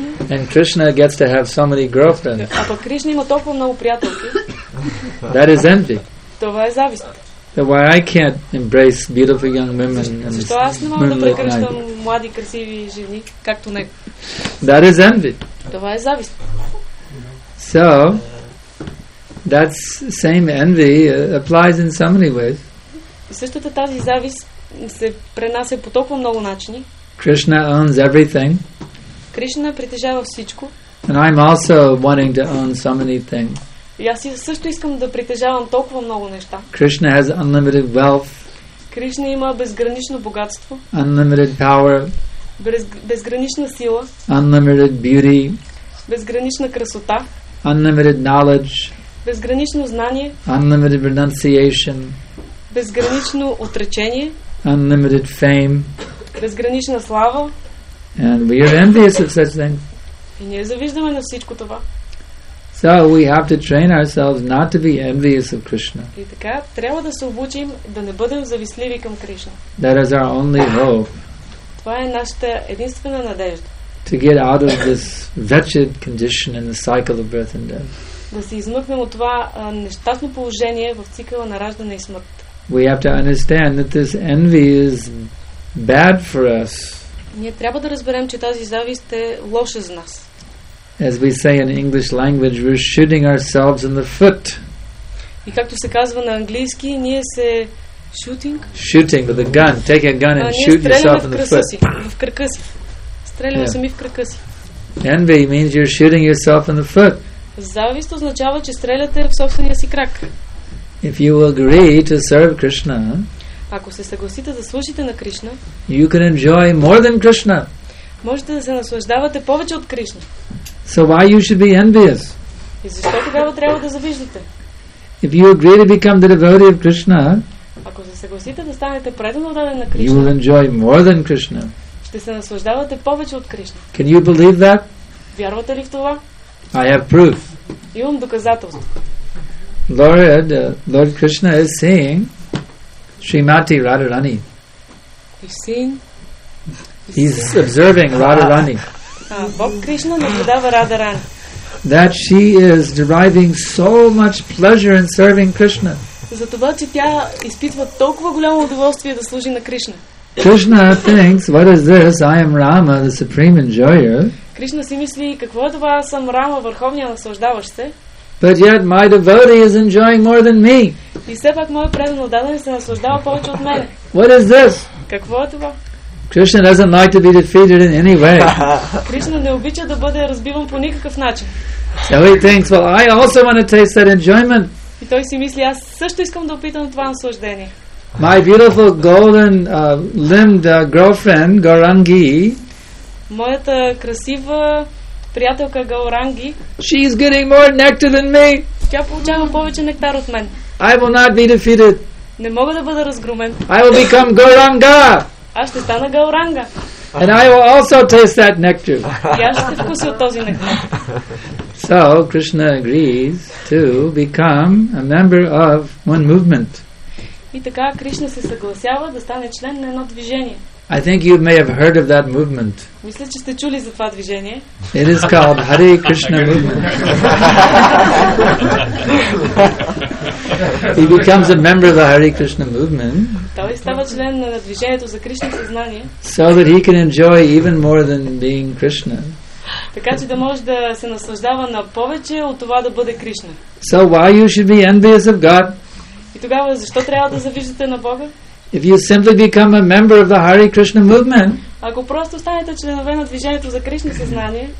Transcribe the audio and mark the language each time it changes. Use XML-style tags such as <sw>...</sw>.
<en>And Krishna gets to have so many girlfriends.</en> <bg>А пък Кришна има толкова много приятелки.</bg> <en>That is envy.</en> <bg>Това е завист.</bg> <en>That why I can't embrace beautiful young women and</en> <bg>Защо аз не мога да прекръщам млади красиви жени, както него.</bg> <en>That is envy.</en> <bg>Това е завист.</bg> <en>So, that same envy applies in so many ways.</en> <bg>Същата тази завист се пренася по толкова много начини.</bg> <en>Krishna owns everything.</en> <bg>Кришна притежава всичко.</bg> <en>And I'm also wanting to own so many things.</en> <bg>И аз също искам да притежавам толкова много неща.</bg> <en>Krishna has unlimited wealth.</en> <bg>Кришна има безгранично богатство.</bg> <en>Unlimited power.</en> <bg>Безгранична сила.</bg> <en>Unlimited beauty.</en> <bg>Безгранична красота.</bg> <en>Unlimited knowledge.</en> <bg>Безгранично знание.</bg> <en>Unlimited renunciation.</en> <bg>Безгранично отречение.</bg> <en>Unlimited fame.</en> <bg>Безгранична слава.</bg> <en>And we are envious of such things.</en> <bg>И ние завиждаме на всичко това.</bg> <en>So we have to train ourselves not to be envious of Krishna.</en> <bg>И така, трябва да се обучим да не бъдем завистливи към Кришна.</bg> <en>That is our only hope.</en> <bg>Това е нашата единствена надежда.</bg> <en>To get out of this wretched condition in the cycle of birth and death.</en> <bg>Да се измъкнем от това нещастно положение в цикъла на раждане и смърт.</bg> <en>We have to understand that this envy is bad for us.</en> <bg>Ние трябва да разберем, че тази завист е лоша за нас.</bg> <en>As we say in English language, we're shooting ourselves in the foot.</en> <bg>И както се казва на английски, ние се</bg> <en>shooting. Shooting with a gun. Take a gun and shoot yourself in the foot.</en> <bg>В крака си. Стреляме сами в крака си.</bg> <en>Envy means you're shooting yourself in the foot.</en> <bg>Завист означава, че стреляте в собствения си крак.</bg> <en>If you agree to serve Krishna,</en> <bg>ако се съгласите да служите на Кришна,</bg> <en>you can enjoy more than Krishna.</en> <bg>Можете да се наслаждавате повече от Кришна.</bg> <en>So why you should be envious?</en> <bg>И защо тогава трябва да завиждате?</bg> <en>If you agree to become the devotee of Krishna,</en> <bg>ако се съгласите да станете предан отдаден на Кришна,</bg> <en>you will enjoy more than Krishna.</en> <bg>Ще се наслаждавате повече от Кришна.</bg> <en>Can you believe that?</en> <bg>Вярвате ли в това?</bg> <en>I have proof.</en> <bg>Имам доказателство.</bg> <en>Lord Krishna is seeing Srimati Radharani. He's seeing. He's observing Radharani.</en> <bg>Бог Кришна наблюдава Радарани.</bg> <en>That she is deriving so much pleasure in serving Krishna.</en> <bg>Затова че тя изпитва толкова голямо удоволствие да служи на Кришна.</bg> <en>Krishna thinks, what is this? I am Rama, the supreme enjoyer.</en> <bg>Кришна си мисли, какво е това? Аз съм Рама, върховния наслаждаващ се.</bg> <en>But yet my devotee is enjoying more than me.</en> <bg>И все пак моят предан отдаден се наслаждава повече от мен.</bg> <en>What is this?</en> <bg>Какво е това?</bg> <en>Krishna doesn't like to be defeated in any way.</en> <bg>Кришна не обича да бъде разбиван по никакъв начин.</bg> <en>So he thinks, well, I also want to taste that enjoyment.</en> <bg>И той си мисли, аз също искам да опитам това наслаждение.</bg> <en>My beautiful golden limbed girlfriend Gaurangi.</en> <bg>Моята красива приятелка Гауранги.</bg> <en>She is getting more nectar than me.</en> <bg>Тя получава повече нектар от мен.</bg> <en>I will not be defeated.</en> <bg>Не мога да бъда разгромен.</bg> <en>I will become Gauranga.</en> <bg>Аз ще стана Гауранга.</bg> <en>And I will also taste that nectar.</en> <bg>И аз ще вкуся от този нектар.</bg> <en>So Krishna agrees to become a member of one movement.</en> <bg>И така Кришна се съгласява да стане член на едно движение.</bg> <en>I think you may have heard of that movement.</en> <bg>Мисля, че сте чули за това движение.</bg> <en>It is called Hare Krishna movement. He becomes a member of the Hare Krishna movement.</en> <bg>Той става член на движението за Кришна съзнание.</bg> <en>So that he can enjoy even more than being Krishna.</en> <bg>Така че да може да се наслаждава на повече от това да бъде Кришна.</bg> <en>So why you should be envious of God?</en> <bg>И тогава защо трябва да завиждате на Бога?</bg> <en>If you simply become a member of the Hare Krishna movement,</en> <bg>ако просто станете членове на движението за Кришна съзнание,</bg>